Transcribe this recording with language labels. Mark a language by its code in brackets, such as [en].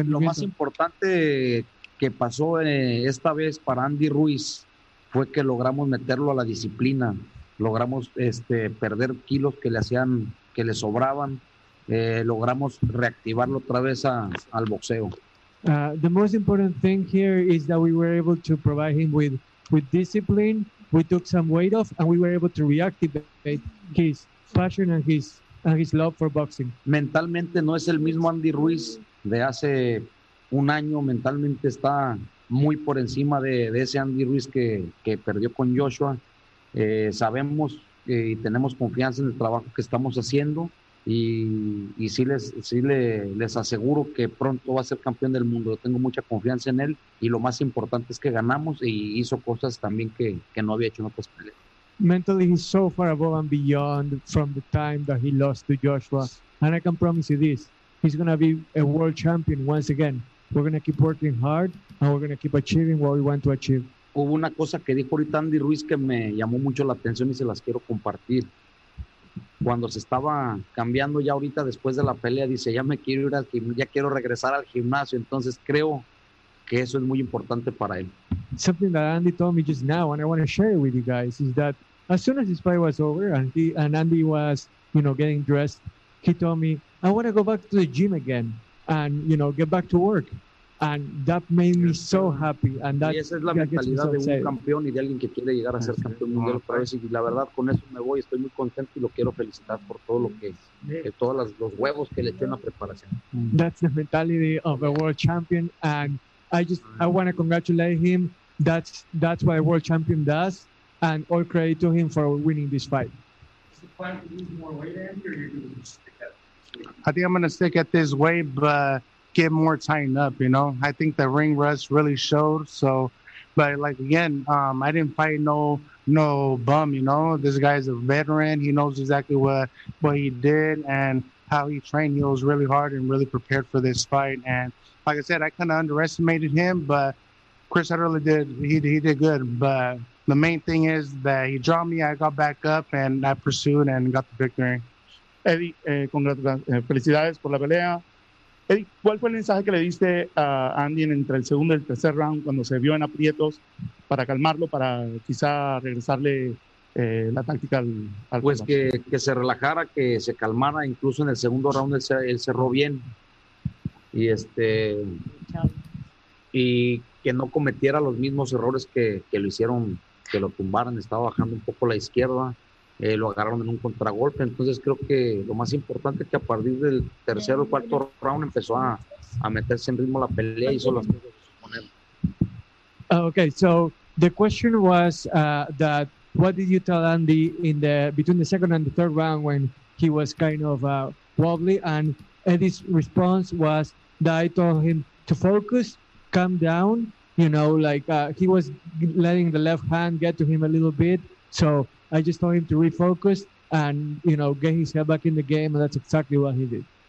[es] lo más importante que pasó esta vez para Andy Ruiz fue que logramos meterlo a la disciplina, logramos perder kilos que le hacían que le sobraban, logramos reactivarlo otra vez a, al boxeo. [en] The most important thing here is that we were able to provide him with discipline. We took some weight off, and we were able to reactivate his passion and his love for boxing. [es] Mentalmente no es el mismo Andy Ruiz de hace un año. Mentalmente está muy por encima de ese Andy Ruiz que perdió con Joshua. Sabemos y tenemos confianza en el trabajo que estamos haciendo. Y sí les aseguro que pronto va a ser campeón del mundo. Yo tengo mucha confianza en él y lo más importante es que ganamos y hizo cosas también que no había hecho en otras peleas. [en] Mentally he's so far above and beyond from the time that he lost to Joshua, and I can promise you this, he's going to be a world champion once again. We're going to keep working hard and we're going to keep achieving what we want to achieve. [es] Hubo una cosa que dijo ahorita Andy Ruiz que me llamó mucho la atención y se las quiero compartir. Cuando se estaba cambiando ya ahorita después de la pelea, dice, ya me quiero ir al gimnasio, ya quiero regresar al gimnasio. Entonces creo que eso es muy importante para él. [en] Something that Andy told me just now, and I want to share it with you guys, is that as soon as this fight was over and Andy was, you know, getting dressed, he told me, I want to go back to the gym again and, you know, get back to work. And that made me so happy. And that, [es] y esa es la mentalidad de un campeón y de alguien que quiere llegar a ser campeón mundial otra vez. Y la verdad, con eso me voy. Estoy muy contento y lo quiero felicitar por todo lo que es, todos los huevos que le echó en la preparación. [en] That's the mentality of a world champion. And I want to congratulate him. That's what a world champion does. And all credit to him for winning this fight. Is the plan to lose more weight, Andy, or are you going to stick at this? I think I'm going to stick at this weight, but get more tightened up, you know. I think the ring rust really showed. So, but like again, I didn't fight no bum, you know. This guy's a veteran. He knows exactly what he did and how he trained. He was really hard and really prepared for this fight. And like I said, I kind of underestimated him, but Chris Arreola did. He did good. But the main thing is that he dropped me. I got back up and I pursued and got the victory. [es] Eddie, felicidades por la pelea. Eddie, ¿cuál fue el mensaje que le diste a Andy entre el segundo y el tercer round cuando se vio en aprietos para calmarlo, para quizá regresarle la táctica al pues combate? Que se relajara, que se calmara. Incluso en el segundo round él cerró bien y que no cometiera los mismos errores que lo hicieron, que lo tumbaran. Estaba bajando un poco la izquierda. Lo agarraron en un contragolpe, entonces creo que lo más importante es que a partir del tercer o cuarto round empezó a meterse en ritmo la pelea y hizo las cosas con él. [en] Okay, so the question was that what did you tell Andy in the between the second and the third round when he was kind of wobbly, and Eddie's response was that I told him to focus, calm down, you know, like he was letting the left hand get to him a little bit, so I just told him to refocus and, you know, get his head back in the game, and that's exactly what he did.